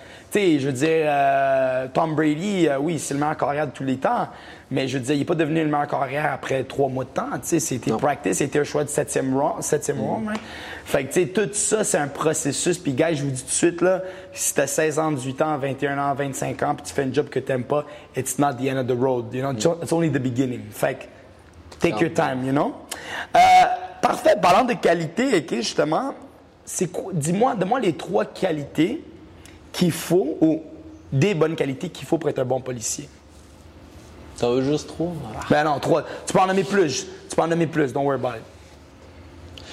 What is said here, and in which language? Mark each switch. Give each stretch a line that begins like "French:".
French: T'sais, je veux dire, Tom Brady, oui, c'est le meilleur carrière de tous les temps, mais je veux dire, il n'est pas devenu le meilleur carrière après trois mois de temps. T'sais, c'était practice, c'était un choix de septième round. Hein. Fait que, t'sais, tout ça, c'est un processus. Puis, gars, je vous dis tout de suite, là, si tu as 16 ans, 18 ans, 21 ans, 25 ans, puis tu fais un job que tu n'aimes pas,
English: it's not the end of the road. You know, it's only the beginning.
French: Fait que,
English: take your time, you know?
French: Parfait. Parlant de qualité, OK, justement, c'est quoi? Dis-moi, donne-moi les trois qualités qu'il faut, ou des bonnes qualités qu'il faut pour être un bon policier. Ça veut juste trois. Ben non, trois. Tu peux en nommer plus. Tu peux en nommer plus,
English: don't worry about it.